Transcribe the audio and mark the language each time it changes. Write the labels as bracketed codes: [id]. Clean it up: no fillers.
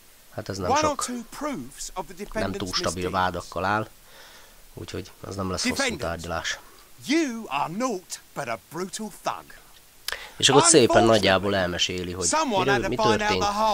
[hu] Hát ez nem sok, nem túl stabil vádakkal áll, úgyhogy ez nem lesz hosszú tárgyalás. [en] You are naught but a brutal thug. [hu] És akkor szépen nagyjából elmeséli, hogy mi történt.